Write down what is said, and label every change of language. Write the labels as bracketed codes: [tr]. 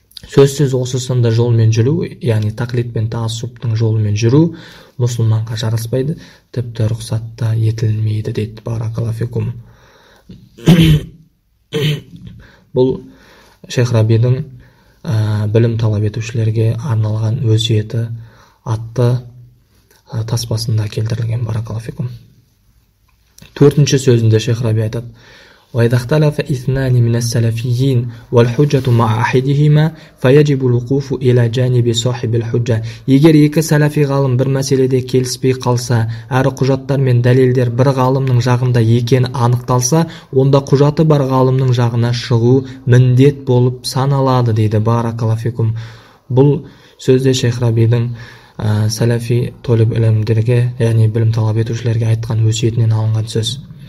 [kk] Сөзсіз осы сынды жолмен жүру, яғни тақлид пен таасуптың жолымен жүру мұсылманға жараспайды, тіпті рұқсат та етілмейді дейді. Баракалла фикум. Бұл Шейх Рабидің білім талап етушілерге арналған өсиеті атты таспасында келтірілген. Баракалла фикум. Төртінші сөзінде Шейх Раби айтады: [ar] وَيَدَخْتَلَفَ إِثْنَانِ مِنَ السَّلَفِيِّينَ وَالْحُجَّةُ مَعَ أَحَدِهِمَا فَيَجِبُ الْوُقُوفُ إِلَى جَانِبِ صَاحِبِ الْحُجَّةِ. [kk] Егер екі сәләфи ғалым бір мәселеде келіспей қалса, әрі құжаттар мен дәлелдер бір ғалымның жағында екені анықталса, онда құжаты бар ғалымның жағына шығу міндет болып саналады дейді. Баракаллаху фикум. Бұл сөзде Шейх Рабидің сәләфи толиб ілімдерге, яғни білім талап етушілерге айтқан өсиетінен алынған сөз.